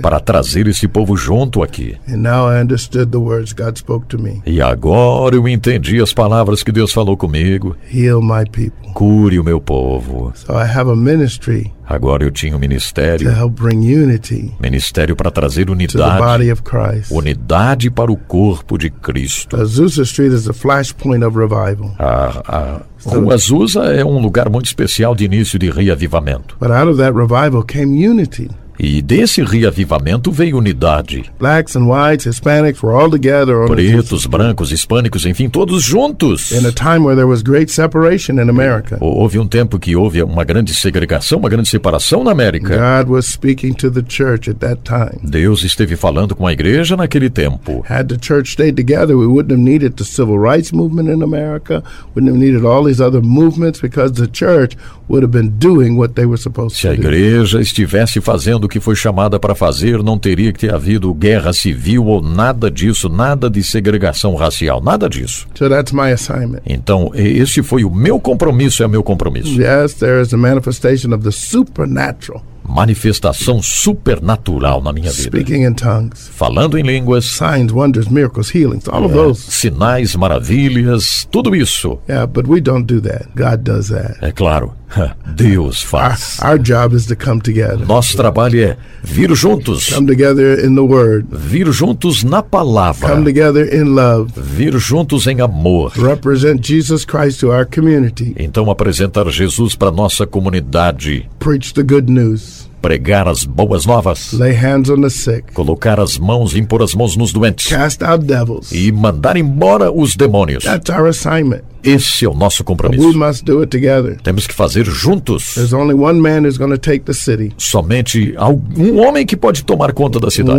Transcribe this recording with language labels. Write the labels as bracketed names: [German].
[Portuguese] Para trazer esse povo junto aqui. [English] And now I understood the words God spoke to me. [Portuguese] E agora eu entendi as palavras que Deus falou comigo. [English] Heal my people. [Portuguese] Cure o meu povo. [English] So I have a ministry. [Portuguese] Agora eu tinha um ministério. [English] To help bring unity. [Portuguese] Ministério para trazer unidade. [English] To the body of Christ. [Portuguese] Unidade para o corpo de Cristo. [English] Azusa Street is a flashpoint of revival. [Portuguese] O Azusa é um lugar muito especial de início de reavivamento. [English] But out of that revival came unity. [Portuguese] E desse reavivamento veio unidade. [English] Blacks and whites, Hispanics were all together. [Portuguese] Pretos, brancos, hispânicos, enfim, todos juntos. [English] In a time where there was great separation in America. [Portuguese] Houve um tempo que houve uma grande segregação, uma grande separação na América. [English] God was speaking to the church at that time. [Portuguese] Deus esteve falando com a igreja naquele tempo. [English] Had the church stayed together, we wouldn't have needed the civil rights movement in America, wouldn't have needed all these other movements because the church would have been doing what they were supposed to do. [Portuguese] Se a igreja estivesse fazendo do que foi chamada para fazer, não teria que ter havido guerra civil ou nada disso, nada de segregação racial, nada disso. [English] So that's my assignment. [Portuguese] Então, esse foi o meu compromisso, é o meu compromisso. [English] Yes, there is a manifestation of the supernatural. [Portuguese] Manifestação supernatural na minha vida. [English] Speaking in tongues. [Portuguese] Falando em línguas. [English] Signs, wonders, miracles, healings, all of those. [Portuguese] Sinais, maravilhas, tudo isso. [English] Yeah, but we don't do that. God does that. [Portuguese] É claro. Deus faz. [English] Our job is to come together. [Portuguese] Nosso trabalho é vir juntos. [English] Come together in the word. [Portuguese] Vir juntos na palavra. [English] Come together in love. [Portuguese] Vir juntos em amor. [English] Represent Jesus Christ to our community. [Portuguese] Então apresentar Jesus para nossa comunidade. [English] Preach the good news. [Portuguese] Pregar as boas novas. [English] Lay hands on the sick. [Portuguese] Colocar as mãos, impor as mãos nos doentes. [English] Cast out devils. [Portuguese] E mandar embora os demônios. [English] That's our assignment. [Portuguese] Esse é o nosso compromisso. [English] We must do it together. [Portuguese] Temos que fazer juntos. [English] There's only one man who's going to take the city. [Portuguese] Somente um homem que pode tomar conta da cidade.